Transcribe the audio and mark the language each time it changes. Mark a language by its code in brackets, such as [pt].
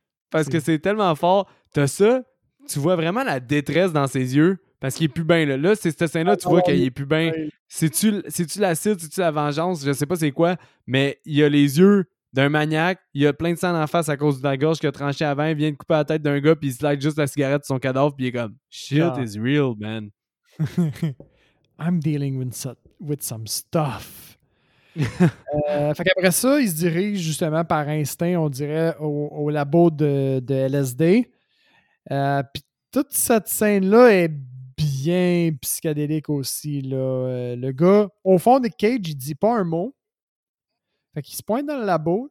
[fr] Parce que c'est tellement fort. T'as ça, tu vois vraiment la détresse dans ses yeux. Parce qu'il est plus bien, là. Là, c'est cette scène-là, tu vois qu'il est plus bien. Ouais. C'est-tu l'acide, c'est-tu la vengeance, je sais pas c'est quoi, mais il a les yeux d'un maniaque. Il a plein de sang en face à cause de la gorge qui a tranché avant. Il vient de couper la tête d'un gars, puis il slide juste la cigarette de son cadavre, puis il est comme « [en] Shit is real, man. » I'm dealing with some stuff. [fr] fait qu'après ça, il se dirige justement par instinct, on dirait, au labo de LSD. Puis toute cette scène-là est bien psychédélique aussi. Là. Le gars, au fond de Cage, il dit pas un mot. Fait qu'il se pointe dans le labo.